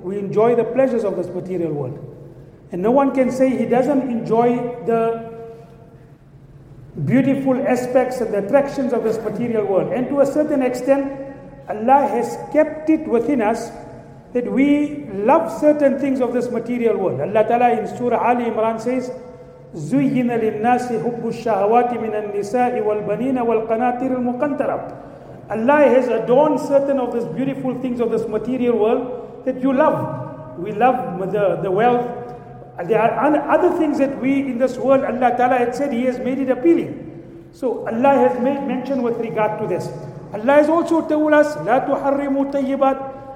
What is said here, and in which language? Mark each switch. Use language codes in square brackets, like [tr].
[en] We enjoy the pleasures of this material world. And no one can say he doesn't enjoy the beautiful aspects and the attractions of this material world. And to a certain extent, Allah has kept it within us that we love certain things of this material world. Allah Ta'ala in Surah Ali Imran says, [ar] زُيِّنَ لِلنَّاسِ حُبُّ الشَّهَوَاتِ مِنَ النِّسَاءِ وَالْبَنِينَ وَالْقَنَاطِرِ الْمُقَنْتَرَةِ. [en] Allah has adorned certain of these beautiful things of this material world that you love. We love the wealth. There are other things that we in this world, Allah Ta'ala had said, he has made it appealing. So Allah has made mention with regard to this. Allah has also told us, [ar] لَا تُحَرِّمُوا طَيِّبَاتِ.